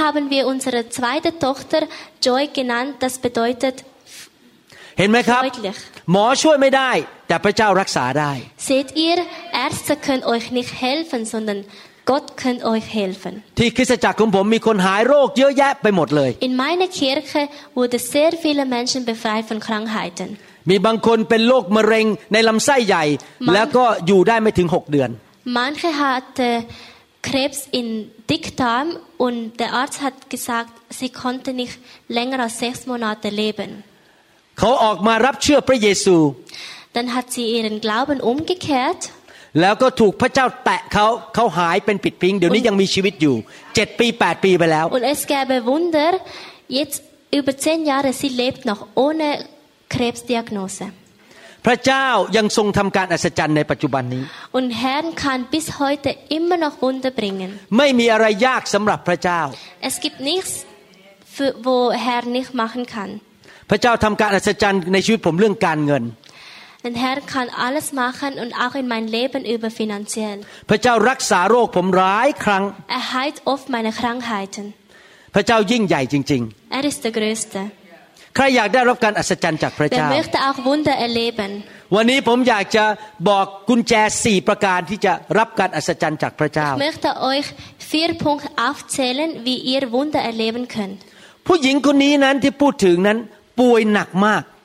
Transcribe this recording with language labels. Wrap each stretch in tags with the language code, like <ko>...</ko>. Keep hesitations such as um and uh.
<de>haben wir unsere zweite Tochter Joy genannt, das bedeutet</de> <th>เห็นไหมครับหมอช่วยไม่ได้แต่พระเจ้ารักษาได้</th> <de>Seht ihr, Ärzte können euch nicht helfen, sondern Gott kann euch helfen.</de> <th>ที่คริสตจักรของผมมีคนหายโรคเยอะแยะไปหมดเลย</th> <de>In meiner Kirche wurde sehr viele Menschen befreit von Krankheiten.</de> <th>มีบางคนเป็นโรคมะเร็งในลำไส้ใหญ่แล้วก็อยู่ได้ไม่ถึง6เดือน</th> <de>Manche hatte Krebs in Dickdarm und der Arzt hat gesagt, sie konnte nicht länger als sechs Monate leben.</de> <th>เขาออกมารับเชื่อพระเยซู</th> <de>Dann hat sie ihren Glauben umgekehrt.</de> <th>แล้วก็ถูกพระเจ้าแตะเขาเขาหายเป็นปิดพิงเดี๋ยวนี้ยังมีชีวิตอยู่เจ็ดปีแปดปีไปแล้ว</th> <de>und es gab ein Wunder jetzt über 10 Jahre sie lebt noch ohne k r e b s d i a</de> <th>พระเจ้ายังทรงทำการอัศจรรย์ในปัจจุบันนี้</th> <de>und Herr kann bis heute immer noch Wunder bringen</de> <th>ไม่มีอะไรยากสำหรับพระเจ้า</th> <de>es gibt nichts für, wo Herr nicht m a c</de> <th>พระเจ้าทำการอัศจรรย์ในชีวิตผมเรื่องการเงิน</th> <de>Der Herr kann alles machen und auch in mein Leben über finanziell.</de> <th>พระเจ้ารักษาโรคผมหลายครั้ง</th> <de>Er heilt oft meine Krankheiten.</de> <th>พระเจ้ายิ่งใหญ่จริง</th> <de>ๆ Er ist der größte.</de> <th>ใครอยากได้รับการอัศจรรย์จากพระเจ้า</th> <de>Wer möchte auch Wunder erleben?</de> <th>วันนี้ผมอยากจะบอกกุญแจสี่ประการที่จะรับการอัศจรรย์จากพระเจ้า</th> <de>Ich möchte euch vier Punkte aufzählen, wie ihr Wunder erleben könnt.</de> <th>ผู้หญิงคนนี้นั้นที่พูดถึงนั้นป่วยหนักมาก</th>